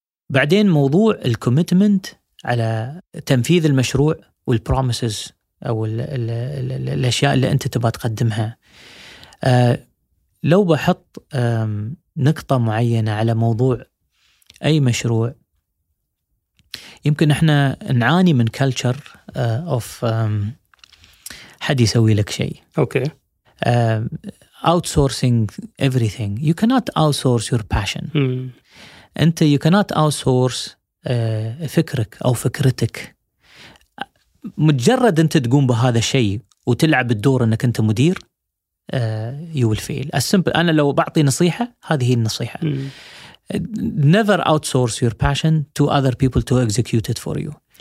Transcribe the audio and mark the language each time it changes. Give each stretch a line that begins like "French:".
Arabic: بعدين موضوع الكوميتمنت على تنفيذ المشروع والبروميسز أو الأشياء اللي أنت تبغى تقدمها. لو بحط نقطة معينة على موضوع أي مشروع، يمكن إحنا نعاني من كلتشر أوف حد يسوي لك شيء. أوكي.
English: Outsourcing everything. You cannot outsource your passion.
Arabic: أنت
English: you cannot outsource
Arabic: فكرك أو فكرتك. مجرد أنت تقوم بهذا الشيء وتلعب الدور أنك أنت مدير
English: you will fail.
Arabic: السمبل، أنا لو بعطي نصيحة هذه هي النصيحة.
English: Never outsource your passion to other people to execute it for you.